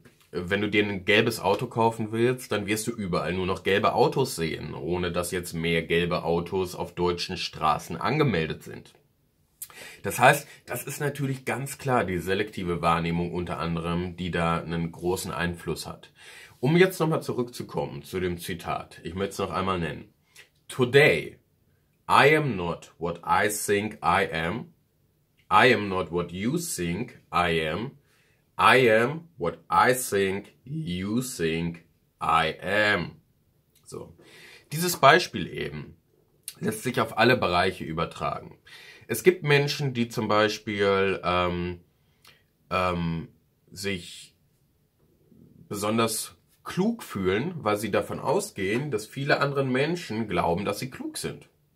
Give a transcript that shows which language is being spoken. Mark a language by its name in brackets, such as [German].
[German] Wenn du dir ein gelbes Auto kaufen willst, dann wirst du überall nur noch gelbe Autos sehen, ohne dass jetzt mehr gelbe Autos auf deutschen Straßen angemeldet sind. Das heißt, das ist natürlich ganz klar die selektive Wahrnehmung unter anderem, die da einen großen Einfluss hat. Um jetzt nochmal zurückzukommen zu dem Zitat, ich möchte es noch einmal nennen. [English] Today, I am not what I think I am not what you think I am what I think you think I am. [German] So, dieses Beispiel eben lässt sich auf alle Bereiche übertragen. Es gibt Menschen, die zum Beispiel sich besonders klug fühlen, weil sie davon ausgehen, dass viele andere Menschen glauben, dass sie klug sind.